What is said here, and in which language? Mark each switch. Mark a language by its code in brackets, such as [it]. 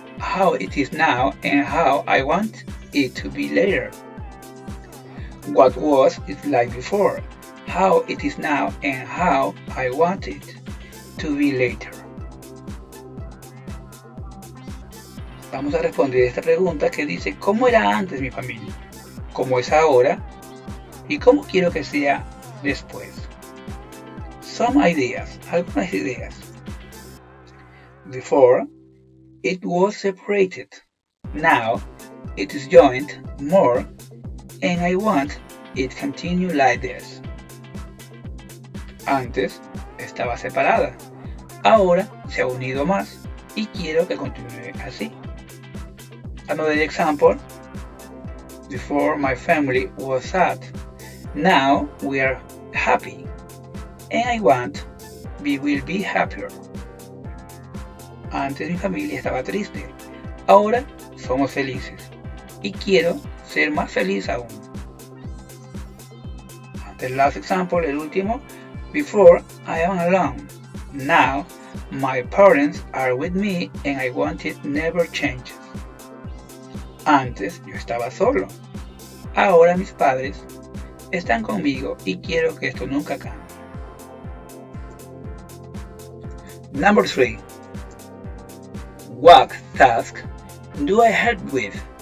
[en] How it is now and how I want it to be later. What was it like before? How it is now and how I want it to be later. [es] Vamos a responder esta pregunta que dice, ¿cómo era antes mi familia? ¿Cómo es ahora? ¿Y cómo quiero que sea después? [en] Some ideas, [es] algunas ideas. [en] Before, it was separated. Now, it is joined more and I want it to continue like this. [es] Antes, estaba separada. Ahora, se ha unido más y quiero que continúe así. [en] Another example, before my family was sad, now we are happy, and I want we will be happier. [es] Antes mi familia estaba triste, ahora somos felices, y quiero ser más feliz aún. [en] The last example, [es] el último, [en] before I am alone, now my parents are with me and I want it never changes. [es] Antes yo estaba solo. Ahora mis padres están conmigo y quiero que esto nunca cambie. [en] Number 3. What task do I help with?